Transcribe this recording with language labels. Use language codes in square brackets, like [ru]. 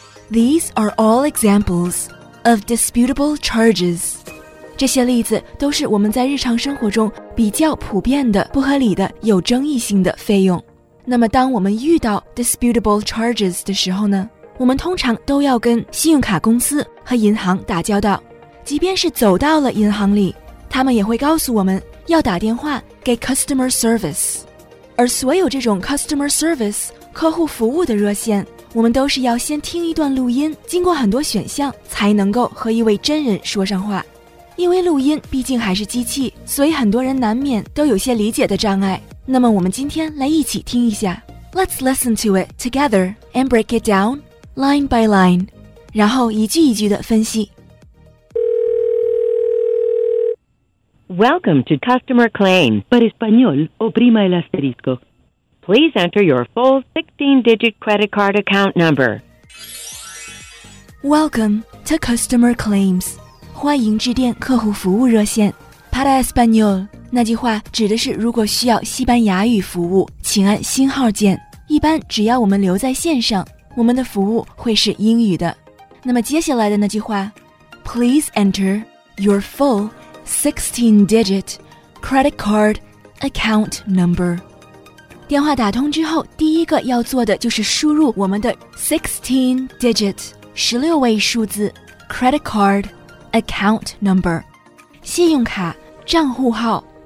[en] These are all examples of disputable charges. [zh] 这些例子都是我们在日常生活中比较普遍的、不合理的、有争议性的费用。那么当我们遇到 disputable charges 的时候呢，我们通常都要跟信用卡公司和银行打交道。即便是走到了银行里，他们也会告诉我们要打电话给 customer service。而所有这种 customer service 客户服务的热线，我们都是要先听一段录音，经过很多选项才能够和一位真人说上话。因为录音毕竟还是机器，所以很多人难免都有些理解的障碍。那么我们今天来一起听一下。 [en] Let's listen to it together and break it down line by line， [zh] 然后一句一句的分析。 [en] Welcome to Customer Claim [es] por Español o Prima el Asterisco. [en] Please enter your full 16-digit credit card account number. Welcome to Customer Claims. [zh] 欢迎致电客户服务热线。 [es] Para Español [zh] 那句话指的是如果需要西班牙语服务，请按星号键。一般只要我们留在线上，我们的服务会是英语的。那么接下来的那句话， [en] Please enter your full 16-digit credit card account number。 [zh] 电话打通之后，第一个要做的就是输入我们的 16-digit 16位数字 credit card account number 信用卡账户号。